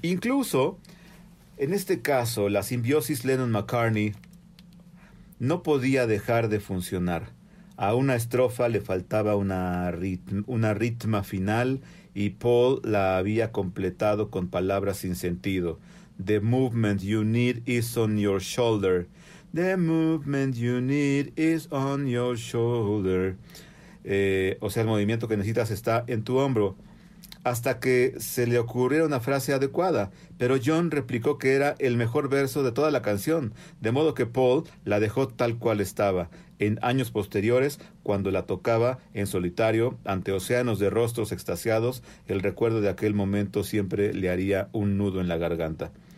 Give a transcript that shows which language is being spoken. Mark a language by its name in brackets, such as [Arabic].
[Spanish] Incluso, en este caso, la simbiosis Lennon-McCartney no podía dejar de funcionar. A una estrofa le faltaba una ritma final y Paul la había completado con palabras sin sentido. [English] The movement you need is on your shoulder. The movement you need is on your shoulder. [Spanish] O sea, el movimiento que necesitas está en tu hombro. Hasta que se le ocurriera una frase adecuada. Pero John replicó que era el mejor verso de toda la canción. De modo que Paul la dejó tal cual estaba. En años posteriores, cuando la tocaba en solitario, ante océanos de rostros extasiados, el recuerdo de aquel momento siempre le haría un nudo en la garganta.